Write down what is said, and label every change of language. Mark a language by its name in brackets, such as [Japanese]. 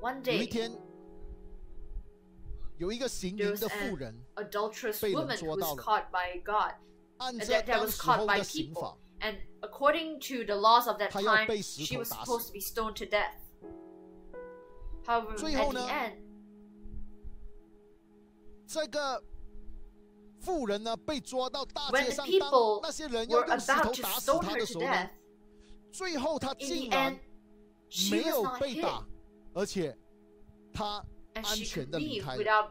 [Chinese] 有一天，有一个行淫的妇人被人捉到了，按照当时候的刑法， [English] and according to the laws of that time, she was supposed to be stoned to death. However, at the end, [Chinese] 这个妇人呢被抓到大街上，当那些人要用石头打死她的时候呢，最后她竟然没有被打，而且她安全的离开了。